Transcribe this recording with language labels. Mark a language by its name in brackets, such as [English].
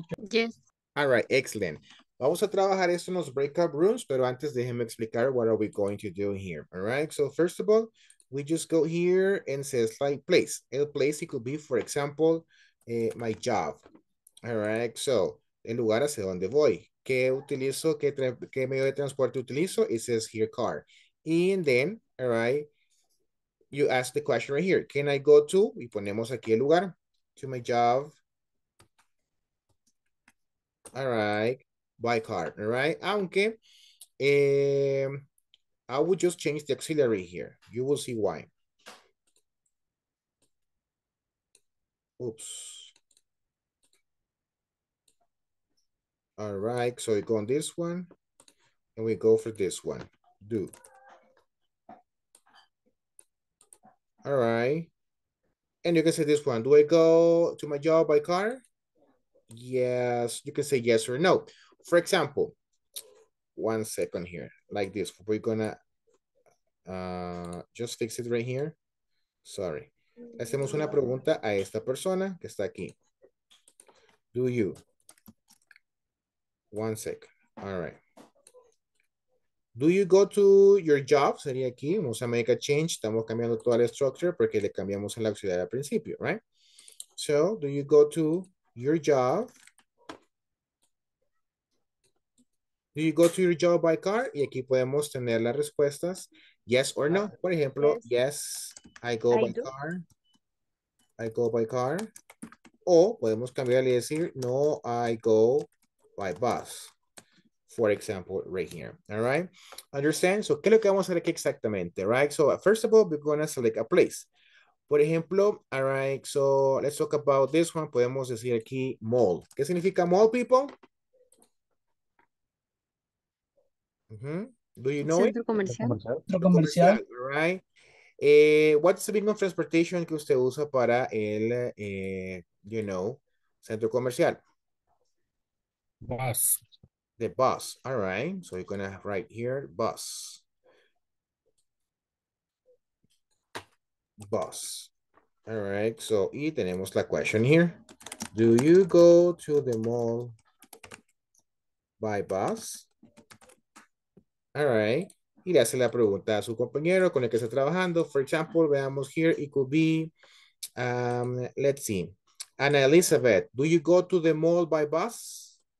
[English] Yes. All right, excellent. [Spanish] Vamos a trabajar esto en los breakout rooms, pero antes déjeme explicar [English] what are we going to do here. All right, so first of all, we just go here and says like place. El place, it could be, for example, my job. All right, so [Spanish] el lugar hacia donde voy. ¿Qué utilizo? ¿Qué medio de transporte utilizo? [English] It says here car. And then, all right, you ask the question right here. Can I go to, [Spanish] y ponemos aquí el lugar, [English] to my job. All right, by car, all right? Aunque, I would just change the auxiliary here. You will see why. Oops. All right, so we go on this one, and we go for this one, do. All right, and you can say this one, do I go to my job by car? Yes, you can say yes or no. For example, one second here, like this, we're gonna just fix it right here. Sorry. [Spanish] Hacemos una pregunta a esta persona que está aquí. [English] Do you? One sec, all right. Do you go to your job? [Spanish] Sería aquí, vamos a [English] make a change. [Spanish] Estamos cambiando toda la structure porque le cambiamos en la auxiliar al principio, right? [English] So, do you go to your job? Do you go to your job by car? [Spanish] Y aquí podemos tener las respuestas, [English] yes or no. [Spanish] Por ejemplo, [English] yes, I go by car. I go by car. [Spanish] O podemos cambiar y decir, no, [English] I go by bus. For example, right here, all right? Understand? [Spanish] So, ¿qué es lo que vamos a hacer aquí exactamente, right? [English] So, first of all, we're gonna select a place. [Spanish] Por ejemplo, [English] all right, so let's talk about this one. [Spanish] Podemos decir aquí, [English] mall. [Spanish] ¿Qué significa mall, people? [English] Mm-hmm. Do you know [Spanish] Centro comercial. [English] All right. What's the means of transportation [Spanish] que usted usa para el, [English] you know, [Spanish] centro comercial? [English] Bus. The bus, all right. So you're gonna write here, bus. Bus, all right. So, [Spanish] y tenemos la [English] question here. Do you go to the mall by bus? All right. [Spanish] Y le hace la pregunta a su compañero con el que está trabajando. [English] For example, [Spanish] veamos [English] here, it could be, let's see. Ana Elizabeth, do you go to the mall by bus?